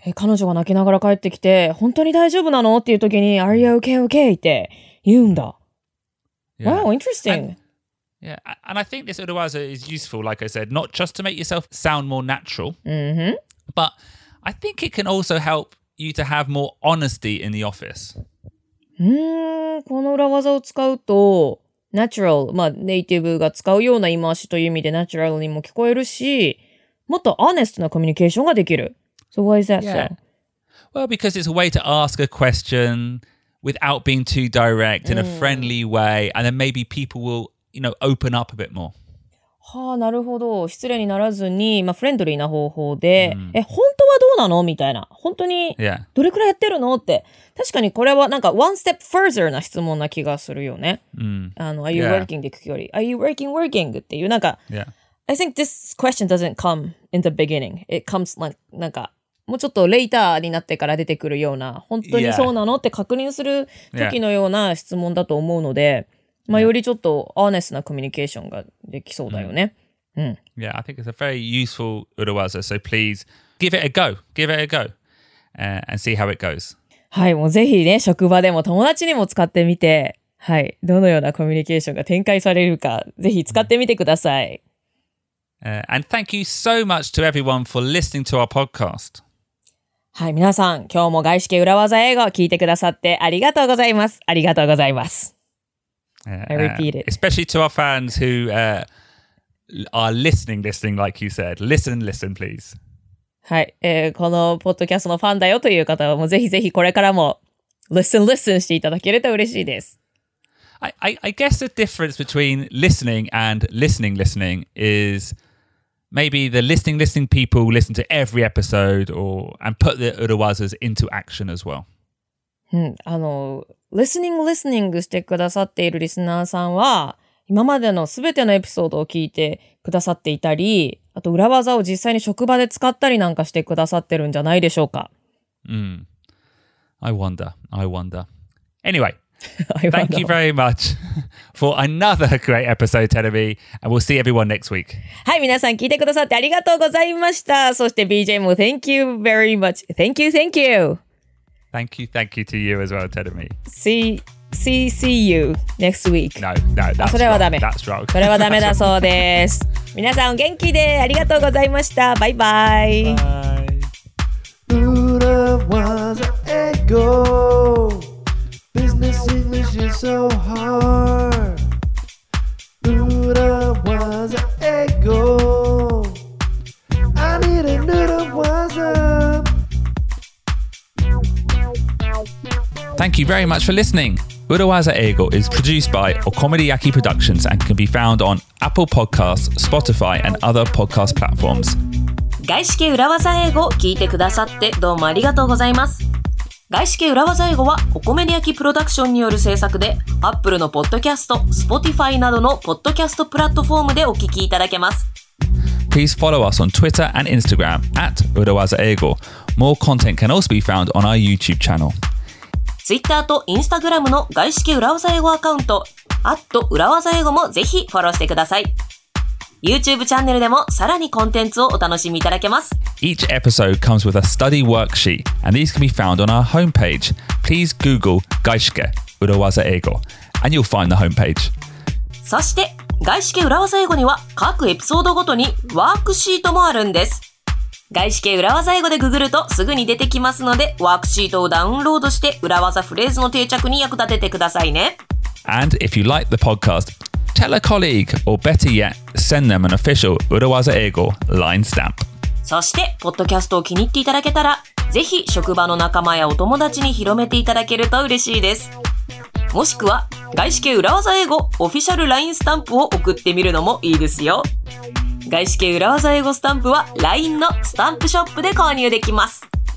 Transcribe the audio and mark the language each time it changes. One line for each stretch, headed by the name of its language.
Japanese: 彼女が泣きながら帰ってきて、本当に大丈夫なのっていう時に、
English: are you okay
Japanese: って言うんだ。
English: Yeah. Wow, interesting. And I think this urawaza is useful, like I said, not just to make yourself sound more natural,、 mm-hmm. but I think it can also help you to have more honesty in the office.
Japanese: この裏技を使うと、ナチュラル、まあ、ネイティブが使うような言い回しという意味でナチュラルにも聞こえるし、もっとアネストなコミュニケーションができる。
English: So why is that so? Well, because it's a way to ask a question without being too direct in a friendly way, and then maybe people will, you know, open up a bit more.
Japanese: はあ、なるほど。失礼にならずに、まあ、フレンドリーな方法で、本当はどうなのみたいな。本当に、どれくらいやってるのって。確かにこれはなんか
English: one step further
Japanese: な質問な気がするよね。
English: Are you working? で聞くより、Are you working?
Japanese: っていうなんか、
English: I think this question doesn't come in the beginning. It comes like,
Japanese: なんか、もうちょっと later になってから出てくるような、本当にそうなの、って確認する時のような質問だと思うので、まあよりちょっと honest なコミュニケーションができそうだよね。
English: Yeah, I think it's a very useful urawaza, so please give it a go, and see how it goes.
Japanese: はい、もうぜひね、職場でも友達にも使ってみて、はい、どのようなコミュニケーションが展開されるか、ぜひ使ってみてください。
English: And thank you so much to everyone for listening to our podcast.
Japanese: はい、皆さん、今日も外資系裏技英語を聞いてくださってありがとうございます。ありがとうございます。
English: I repeat it. Especially to our fans who are listening, like you said. Listen, please.
Japanese: はい、このポッドキャストのファンだよという方はもうぜひぜひこれからも listen していただけると嬉しいです。
English: I guess the difference between listening and listening is maybe the listening people listen to every episode and put the urawazas into action as well.
Japanese: listening してくださっているリスナーさんは今までのすべてのエピソードを聞いてくださっていたり、あと裏技を実際に職場で使ったりなんかしてくださってるんじゃないでしょうか。
English: I wonder. Anyway, thank you very much for another great episode, Tenami, and we'll see everyone next week.
Japanese: はい、皆さん聞いてくださってありがとうございました。そして
English: BJ も Thank you very much. Thank you. Thank you to you as well, Tenami. See you next week. No,
Japanese: それはダメ。
English: That's wrong.
Japanese: それはダメだそうです。皆さん元気でありがとうございました。バイバイ。
English: Thank you very much for listening. Urawaza Eigo is produced by Okomoriyaki Productions and can be found on Apple Podcasts, Spotify, and other podcast platforms.
Japanese: 外資系裏技英語を聞いてくださってどうもありがとうございます。外資系裏技英語はココメディアキプロダクションによる制作で、Apple のポッドキャスト、Spotify などのポッドキャストプラットフォームでお聞きいただけます。
English: Please follow us on Twitter and Instagram at 裏技英語。 More content can also be found on our YouTube channel.
Japanese: Twitter と Instagram の外資系裏技英語アカウント、@裏技英語もぜひフォローしてください。 YouTube チャンネルでもさらにコンテンツをお楽しみいただけます。
English: Each episode comes with a study worksheet, and these can be found on our homepage. Please Google 外資系裏技英語 and you'll find the homepage.
Japanese: そして、外資系裏技英語には各エピソードごとにワークシートもあるんです。外資系裏技英語でググるとすぐに出てきますので、ワークシートをダウンロードして裏技フレーズの定着に役立ててくださいね。
English: And if you like the podcast, tell a colleague, or better yet, send them an official 裏技英語 LINE stamp.
Japanese: そして、ポッドキャストを気に入っていただけたら、ぜひ職場の仲間やお友達に広めていただけると嬉しいです。もしくは、外資系裏技英語オフィシャル LINE スタンプを送ってみるのもいいですよ。外資系裏技英語スタンプは LINE のスタンプショップで購入できます。